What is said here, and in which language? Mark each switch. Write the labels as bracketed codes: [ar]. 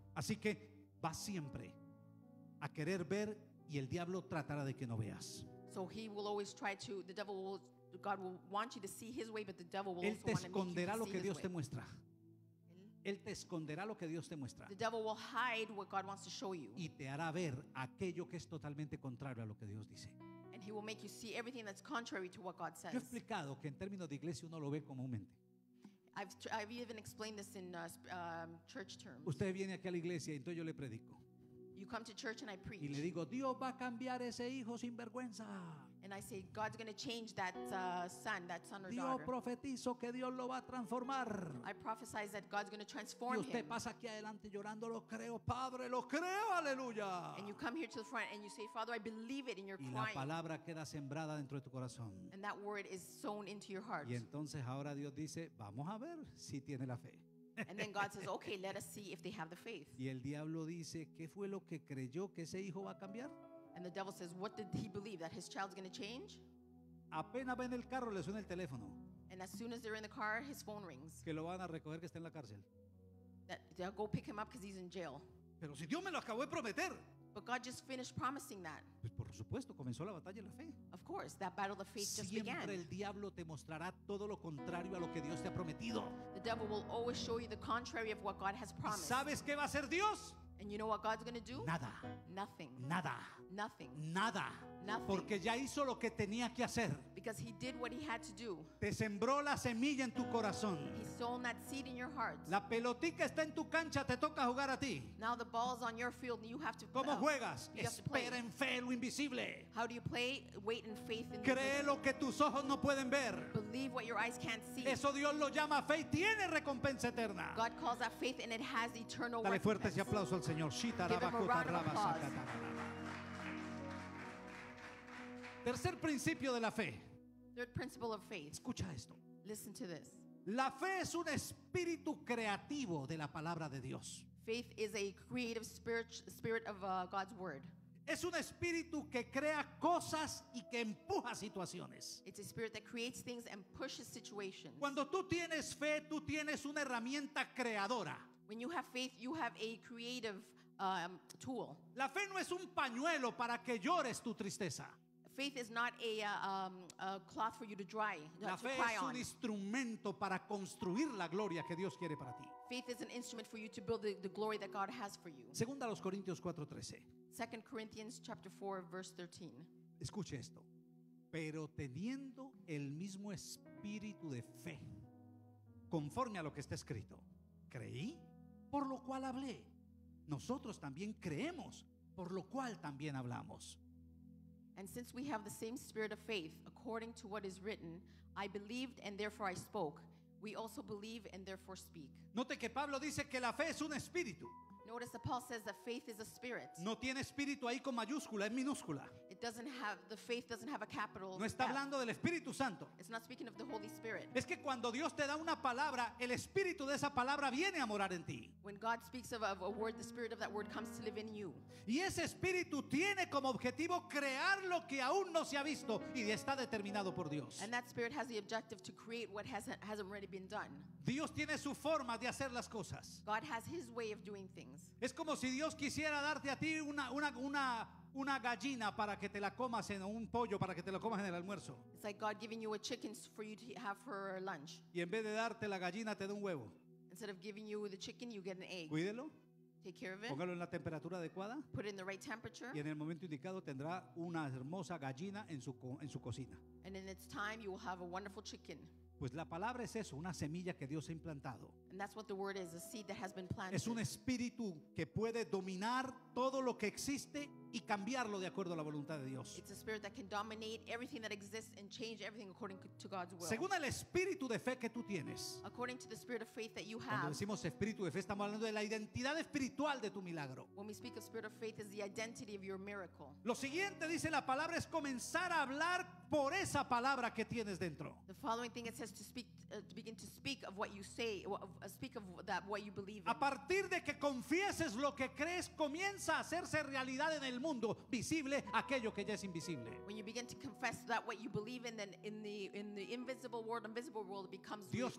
[es] Así que va siempre a querer ver y el diablo tratará de que no veas. [en] So he will always try to, the devil will, God will want you to see his way, but the devil will also want to make you see [es] lo que Dios te muestra. Él te esconderá lo que Dios te muestra. [en] The devil will hide what God wants to show you. [es] Y te hará ver aquello que es totalmente contrario a lo que Dios dice. [en] And he will make you see everything that's contrary to what God says. [es] Yo he explicado que en términos de iglesia uno lo ve comúnmente. [en] I've even explained this in church terms. [es] Usted viene aquí a la iglesia y entonces yo le predico. [en] You come to church and I preach. [es] Y le digo, Dios va a cambiar ese hijo sin vergüenza. [en] And I say, God's going to change that son or daughter. [es] Dios profetizo que Dios lo va a transformar. [en] I prophesy that God's going to transform him. [es] Y usted pasa aquí adelante llorando, lo creo, Padre, lo creo, aleluya. [en] And you come here to the front and you say, Father, I believe it, and you're [es] y [en] crying. [es] Y la palabra queda sembrada dentro de tu corazón. [en] And that word is sown into your heart. [es] Y entonces ahora Dios dice, vamos a ver si tiene la fe. [en] And then God says, okay, let us see if they have the faith. [es] Y el diablo dice, ¿qué fue lo que creyó que ese hijo va a cambiar? [en] And the devil says, what did he believe, that his child's going to change? [es] Apenas va en el carro, le suena el teléfono. [en] And as soon as they're in the car, his phone rings. [es] Que lo van a recoger, que está en la cárcel. [en] That they'll go pick him up because he's in jail. [es] Pero si Dios me lo acabó de prometer. [en] But God just finished promising that. [es] Pues por supuesto, comenzó la batalla de la fe. [en] Of course, that battle of faith [es] siempre [en] just began. [es] Siempre el diablo te mostrará todo lo contrario a lo que Dios te ha prometido. [en] The devil will always show you the contrary of what God has promised. [es] ¿Sabes qué va a hacer Dios? [en] And you know what God's going to do? [es] Nada. [en] Nothing. [es] Nada. [en] Nothing. [es] Nada. [en] Nothing. [es] Porque ya hizo lo que tenía que hacer. [en] Because he did what he had to do. [es] Te sembró la semilla en tu corazón. [en] He sown that seed in your heart. [es] La pelotica está en tu cancha, te toca jugar a ti. [en] Now the ball's on your field and you have to play. [es] ¿Cómo juegas? [en] You have to play. [es] Espera en fe lo invisible. [en] How do you play? Wait in faith in [es] cree [en] the [es] lo que tus ojos no pueden ver. [en] Believe what your eyes can't see. [es] Eso Dios lo llama fe y tiene recompensa eterna. [en] God calls that faith and it has eternal [es] dale fuertes y aplausos al Señor. [en] Give him a round of applause. [es] Tercer principio de la fe. [en] Third principle of faith. [es] Escucha esto. [en] Listen to this. [es] La fe es un espíritu creativo de la palabra de Dios. [en] Faith is a creative spirit of God's word. [es] Es un espíritu que crea cosas y que empuja situaciones. [en] It's a spirit that creates things and pushes situations. [es] Cuando tú tienes fe, tú tienes una herramienta creadora. [en] When you have faith, you have a creative tool. [es] La fe no es un pañuelo para que llores tu tristeza. [en] Faith is not a, a cloth for you to dry, [es] la [en] to cry [es] es un instrumento para construir la gloria que Dios quiere para ti. [en] Faith is an instrument for you to build the glory that God has for you. [es] Segunda a los Corintios 4:13. [en] 2 Corinthians chapter 4 verse 13. [es] Escuche esto. Pero teniendo el mismo espíritu de fe, conforme a lo que está escrito, creí, por lo cual hablé. Nosotros también creemos, por lo cual también hablamos. [en] And since we have the same spirit of faith, according to what is written, I believed and therefore I spoke. We also believe and therefore speak. [es] Note que Pablo dice que la fe es un espíritu. [en] Notice that Paul says that faith is a spirit. [es] No tiene espíritu ahí con mayúscula, es minúscula. [en] It doesn't have, the faith doesn't have a capital. [es] No está hablando del Espíritu Santo. [en] It's not speaking of the Holy Spirit. [es] Es que cuando Dios te da una palabra, el espíritu de esa palabra viene a morar en ti. [en] When God speaks of a word, the spirit of that word comes to live in you. [es] Y ese espíritu tiene como objetivo crear lo que aún no se ha visto y está determinado por Dios. [en] And that spirit has the objective to create what hasn't already been done. [es] Dios tiene su forma de hacer las cosas. [en] God has his way of doing things. [es] Es como si Dios quisiera darte a ti una gallina para que te la comas en un pollo para que te lo comas en el almuerzo. [en] It's like God giving you a chicken for you to have for lunch. [es] Y en vez de darte la gallina te da un huevo. [en] Instead of giving you the chicken, you get an egg. [es] Cuídelo. [en] Take care of it. [es] Póngalo en la temperatura adecuada. [en] Put it in the right temperature. [es] Y en el momento indicado tendrá una hermosa gallina en su cocina. [en] And in its time you will have a wonderful chicken. [es] Pues la palabra es eso, una semilla que Dios ha implantado. [en] And that's what the word is, a seed that has been planted. [es] Es un espíritu que puede dominar todo lo que existe y cambiarlo de acuerdo a la voluntad de Dios. [en] It's a spirit that can dominate everything that exists and change everything according to God's will. [es] Según el espíritu de fe que tú tienes. [en] According to the spirit of faith that you have. [es] Cuando decimos espíritu de fe, estamos hablando de la identidad espiritual de tu milagro. [en] When we speak of spirit of faith, is the identity of your miracle. [es] Lo siguiente dice la palabra es comenzar a hablar por esa palabra que tienes dentro. [en] The following thing it says to speak, to begin to speak of what you say, speak of that what you believe in. [es] A partir de que confieses lo que crees, comienza a hacerse realidad en el mundo visible aquello que ya es invisible. [en] When you begin to confess that what you believe in, then in the invisible world it becomes reality.